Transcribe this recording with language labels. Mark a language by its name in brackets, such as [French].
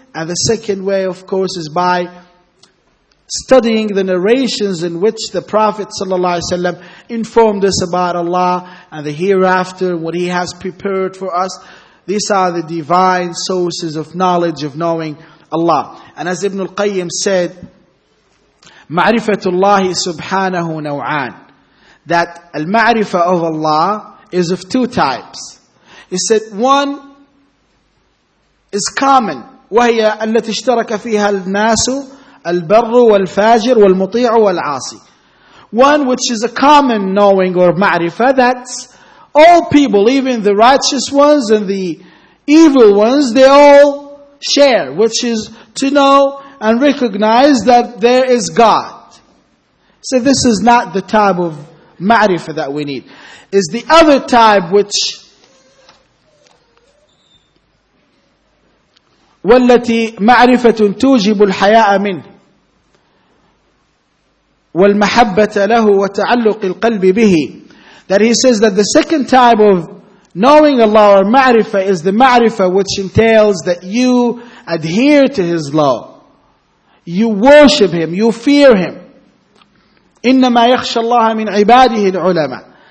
[English] And the second way, of course, is by studying the narrations in which the Prophet ﷺ informed us about Allah and the hereafter, what he has prepared for us. These are the divine sources of knowledge, of knowing Allah. And as Ibn al-Qayyim said, [Arabic] ma'rifatullahi subhanahu naw'an, [English] that al-ma'rifah of Allah is of two types. He said, one is common, [Arabic] وهي التي اشترك فيها الناس البر والفاجر والمطيع والعاصي. [English] One which is a common knowing or ma'rifah, that's all people, even the righteous ones and the evil ones, they all share, which is to know and recognize that there is God. So this is not the type of ma'rifah that we need. It's the other type, which [Arabic] والتي معرفة توجب الحياء منه والمحبة له وتعلق القلب به. [English] That he says that the second type of knowing Allah or ma'rifah is the ma'rifah which entails that you adhere to his law, you worship him, you fear him, [Arabic] إِنَّمَا يَخْشَ اللَّهَ مِنْ عِبَادِهِ الْعُلَمَى.